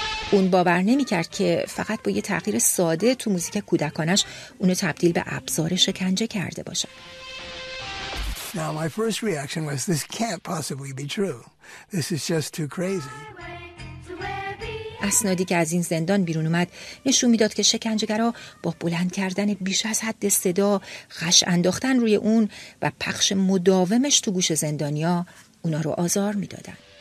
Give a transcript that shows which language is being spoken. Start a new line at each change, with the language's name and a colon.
Persian: اون باور نمی‌کرد که فقط با یه تغییر ساده تو موزیک کودکانش اونو تبدیل به ابزار شکنجه کرده باشه.
English: Now my first reaction was this can't possibly be true. This is just too crazy.
Persian: اسنادی که از این زندان بیرون اومد نشون میداد که شکنجهگرا با بلند کردن بیش از حد صدا، خش انداختن روی اون و پخش مداومش تو گوش زندانیا اونا رو آزار میدادن.